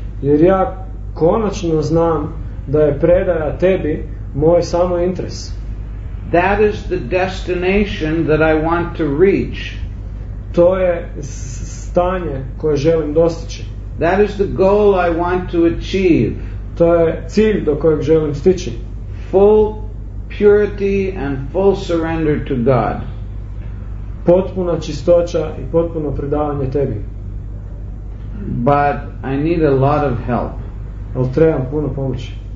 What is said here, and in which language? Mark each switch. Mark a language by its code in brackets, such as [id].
[hr] Jer ja konačno znam da je predaja tebi moj samo interes. [en] That is the destination that I want to reach. [hr] To je stanje koje želim dostići. [en] That is the goal I want to achieve. [hr] To je cilj do kojeg želim stići. [en] Full purity and full surrender to God. [hr] Potpuna čistoća i potpuno predavanje tebi. [en] But I need a lot of help. [hr] Al trebam puno pomoći.